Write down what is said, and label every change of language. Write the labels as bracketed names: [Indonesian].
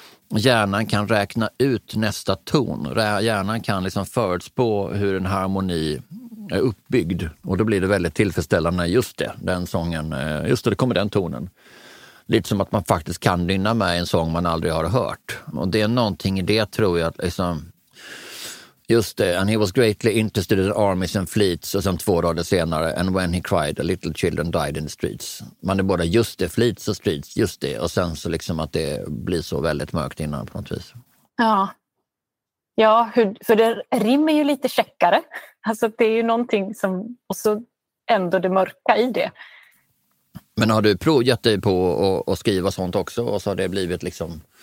[Swedish] hjärnan kan räkna ut nästa ton. Hjärnan kan liksom förutspå hur en harmoni är uppbyggd. Och då blir det väldigt tillfredsställande, just det, den sången. Just det, det kommer den tonen. Lite som att man faktiskt kan nynna med en sång man aldrig har hört. Och det är någonting i det, tror jag, att liksom... Just det, [English] and he was greatly interested in armies and fleets, [Swedish] och sen två rader senare, [English] and when he cried, a little children died in the streets. [Swedish] Man är både just det, fleets och streets, just det, och sen så liksom att det blir så väldigt mörkt innan på något vis. Ja, ja, hur, för det rimmer ju lite käckare, alltså det är ju någonting som, och så ändå det mörka i det. Men har du provat dig på att skriva sånt också, och så har det blivit liksom...